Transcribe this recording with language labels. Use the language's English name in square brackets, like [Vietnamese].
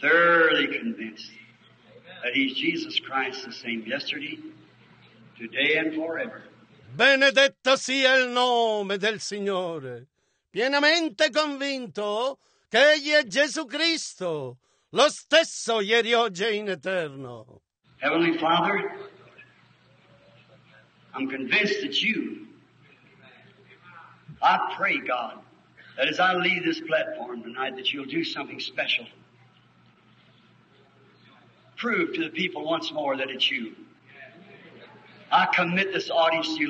[English] Thoroughly convinced that He's Jesus Christ, the same yesterday, today and forever. [Italian] Benedetto sia il nome del Signore. Pienamente convinto che Egli è Gesù Cristo, lo stesso ieri, oggi e in eterno. [English] Heavenly Father, I'm convinced that You, I pray, God, that as I leave this platform tonight, that You'll do something special. Prove to the people once more that it's You. I commit this audience to You.